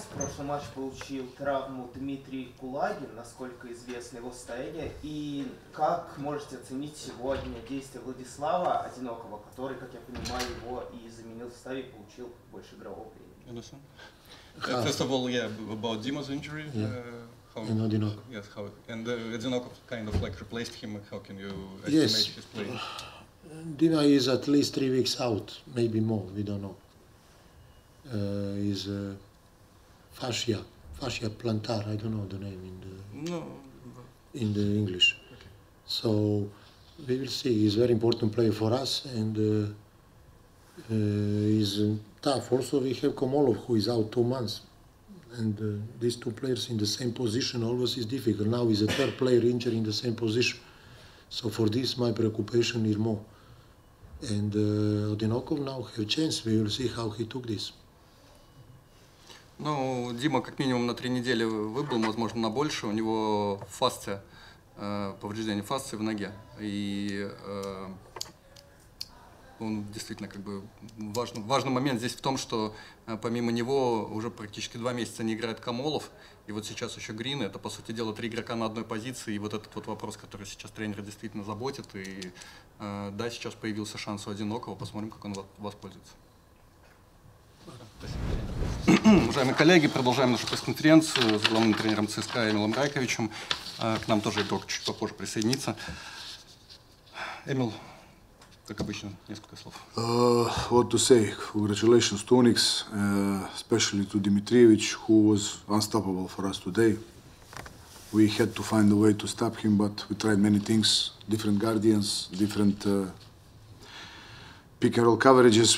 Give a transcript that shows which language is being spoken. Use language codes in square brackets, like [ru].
[ru] В прошлый матч получил травму Дмитрий Кулагин, насколько известно его состояние. И как можете оценить сегодня действия Владислава Одинокого, который, как я понимаю, его и заменил в составе, получил больше игрового времени? [en] First of all, yeah, about Dima's injury. Yeah. And Odinok. Yes, how and Odinok kind of like replaced him. How can you estimate his play? Dima is at least 3 weeks out, maybe more. We don't know. Is fascia plantar. I don't know the name in the English. Okay. So we will see. He's a very important player for us, and he's tough. Also, we have Komolov, who is out 2 months. And these two players in the same position always is difficult. Now is a third player injured in the same position. So for this, my preoccupation is more. And Odinokov now have chance. We will see how he took this. [ru] Ну, Дима как минимум на 3 недели выбыл, возможно, на больше. У него фасция, повреждение фасции в ноге. И он действительно как бы важный момент здесь в том, что помимо него уже практически 2 месяца не играет Камолов. И вот сейчас еще Грин. Это, по сути дела, 3 игрока на одной позиции. И вот этот вот вопрос, который сейчас тренера действительно заботит. И да, сейчас появился шанс у Одинокого. Посмотрим, как он воспользуется. Уважаемые коллеги, продолжаем нашу пресс-конференцию с главным тренером ЦСКА Эмилом Райковичем. К нам тоже игрок чуть попозже присоединится. Эмил, как обычно, несколько слов. [en] What to say? Congratulations to Onyx, especially to Dmitrievich, who was unstoppable for us today. We had to find a way to stop him, but we tried many things, different guardians, different pick and roll coverages.